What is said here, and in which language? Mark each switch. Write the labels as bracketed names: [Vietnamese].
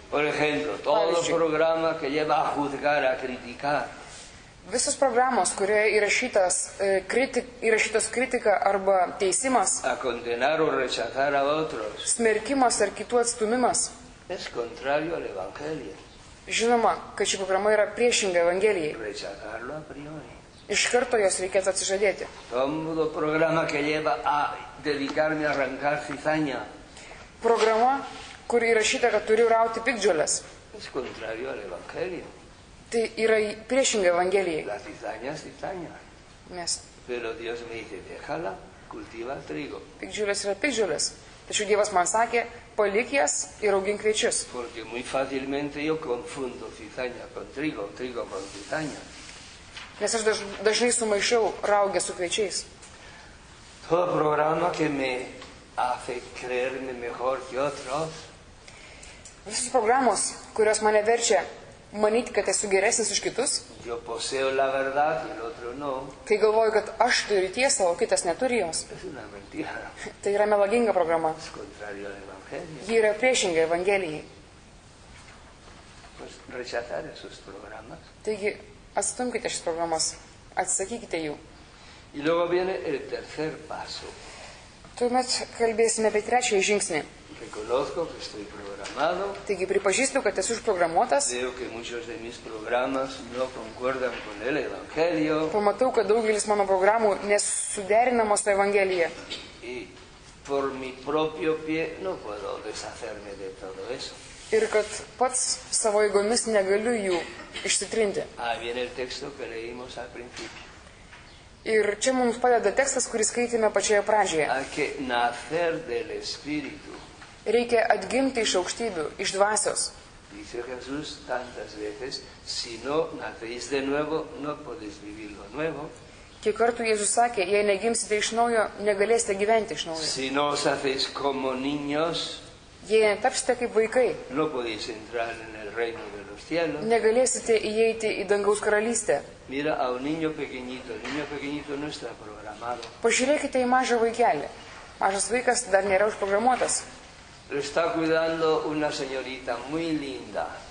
[Spanish] Por ejemplo, todo programa que lleva a juzgar, a criticar. [Lithuanian] Visos programos, kurioje įrašytos kritika arba teisimas, [Spanish] a condenar o rechazar a otros, [Lithuanian] smerkimas ar kitų atstumimas, [Spanish] es contrario al Evangelio. [Lithuanian] Žinoma, kad ši programa yra priešinga Evangelijai. [Spanish] Rechazarlo a priori. [Lithuanian] Iš karto jos reikėtų atsižadėti. [Spanish] Todo programa que lleva a dedicarme a arrancar cizaña. [Lithuanian] Programa, kuri įrašyta, kad turiu rauti pikdžiolės. [Spanish] Es contrario al Evangelio. [Lithuanian] Tai yra priešinga Evangelijai. [Spanish] La cizaña es cizaña. [Lithuanian] Mes. [Spanish] Pero Dios me dice, déjala, cultiva trigo. [Lithuanian] Pikdžiolės yra pikdžiolės. Tačiau Dievas man sakė, palik jas ir augink kviečius. [Spanish] Porque muy fácilmente yo confundo cizaña con trigo, trigo con cizaña. [Lithuanian] Nes aš dažnai sumaišiau raugę su kviečiais. [Spanish] Todo programa que me hace creerme mejor que otros. [Lithuanian] Visos programos, kurios mane verčia manyti, kad esu geresnis už kitus. [Spanish] Yo poseo la verdad y el otro no. [Lithuanian] Kai galvoju, kad aš turiu tiesą, o kitas neturi jos. Tai yra melaginga programa. [Spanish] Es contrario al Evangelio. [Lithuanian] Ji yra priešinga Evangelijai. [Spanish] Pues rechazar esos programas. [Lithuanian] Taigi, atstumkite šis programas, atsakykite jų. [Spanish] Y luego viene el tercer paso. [Lithuanian] Tuomet kalbėsime apie trečiąjį žingsnį. [Spanish] Reconozco que estoy programado. [Lithuanian] Taigi, pripažįstu, kad esu užprogramuotas. [Spanish] Veo que muchos de mis programas no concuerdan con el Evangelio. [Lithuanian] Pamatau, kad daugelis mano programų nesuderinamos su Evangelija. [Spanish] Y por mi propio pie no puedo deshacerme de todo eso. [Lithuanian] Ir kad pats savo jėgomis negaliu jų išsitrinti. [Spanish] Ah, viene el texto que leímos al principio. [Lithuanian] Ir čia mums padeda tekstas, kurį skaitėme pačioje pradžioje. [Spanish] Hay que nacer del Espíritu. [Lithuanian] Reikia atgimti iš aukštybių, iš dvasios. [Spanish] Dice Jesús tantas veces, si no nacéis de nuevo, no podéis vivir lo nuevo. [Lithuanian] Kiek kartų Jėzus sakė, jei negimsite iš naujo, negalėsite gyventi iš naujo. [Spanish] Si no os hacéis como niños, [Lithuanian] jei netapsite kaip vaikai, [Spanish] no podéis entrar en el reino de los cielos. [Lithuanian] Negalėsite įeiti į dangaus karalystę. [Spanish] Mira a un niño pequeñito, el niño pequeñito no está programado. [Lithuanian] Pažiūrėkite į mažą vaikelį. Mažas vaikas dar nėra užprogramuotas. [Spanish] Lo está cuidando una señorita muy linda.